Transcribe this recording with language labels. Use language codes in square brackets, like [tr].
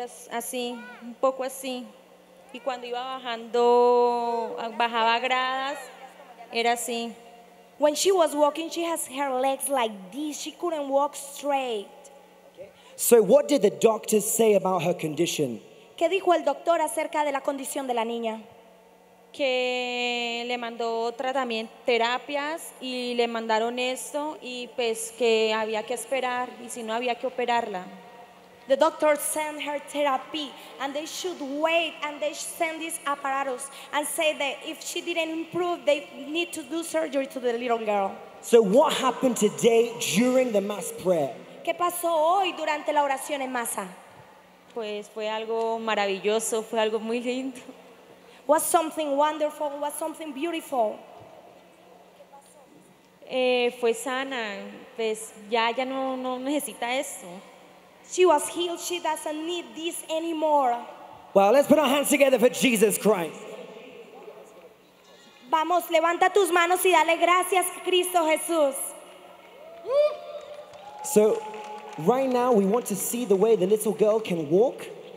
[es] Así, un poco así. Y cuando iba bajando, bajaba gradas, era así. [en] When she was walking, she has her legs like this. She couldn't walk straight. So what did the doctor say about her condition? [es] ¿Qué dijo el doctor acerca de la condición de la niña? Que le mandó tratamiento, terapias, y le mandaron esto, y pues que había que esperar, y si no había que operarla. [en] The doctor sent her therapy, and they should wait, and they send this apparatus, and say that if she didn't improve, they need to do surgery to the little girl. So what happened today during the mass prayer? [es] ¿Qué pasó hoy durante la oración en masa? Pues fue algo maravilloso, fue algo muy lindo. [en] Was something wonderful, was something beautiful. [es] Fue sana, pues ya no necesita esto. [en] She was healed, she doesn't need this anymore. Well, let's put our hands together for Jesus Christ. [es] Vamos, levanta tus manos y dale gracias, Cristo Jesús. [en] So, right now we want to see the way the little girl can walk.